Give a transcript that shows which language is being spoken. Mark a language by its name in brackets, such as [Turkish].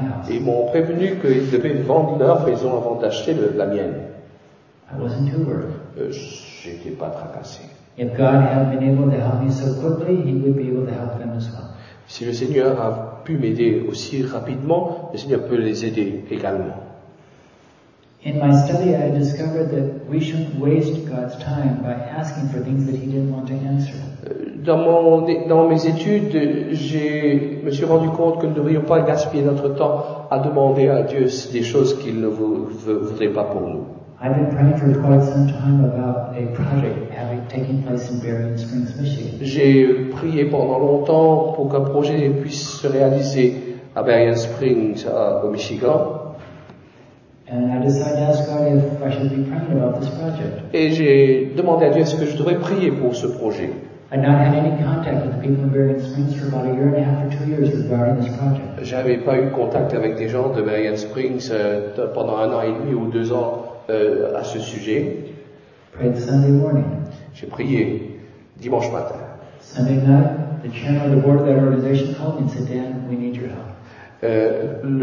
[French] Ils m'ont prévenu qu'ils devaient vendre leur maison avant d'acheter la mienne. [English] I wasn't too worried. [French] J'étais pas tracassé. [English] If God had been able to help me so quickly, He would be able to help them as well. [French] Si le Seigneur a pu m'aider aussi rapidement, le Seigneur peut les aider également. [English] In my study, I discovered that we shouldn't waste God's time by asking for things that He didn't want to answer. [French] Dans mes études, me suis rendu compte que nous ne devrions pas gaspiller notre temps à demander à Dieu des choses qu'il ne voudrait pas pour nous. [English] I've been praying for quite some time about a project having taken place in Berrien Springs, Michigan. [French] J'ai prié pendant longtemps pour qu'un projet puisse se réaliser à Berrien Springs, au Michigan. [English] And I decided to ask God if I should be praying about this project. [French] Et j'ai demandé à Dieu est-ce que je devrais prier pour ce projet. [English] I'd not had any contact with the people in Berrien Springs for about a year and a half or 2 years regarding this project. [French] J'avais pas eu contact avec des gens de Berrien Springs pendant un an et demi ou deux ans à ce sujet. [English] Prayed Sunday morning. [French] J'ai prié dimanche matin. [English] Sunday night, the chairman of the board of that organization called me and said, Dan, we need your help.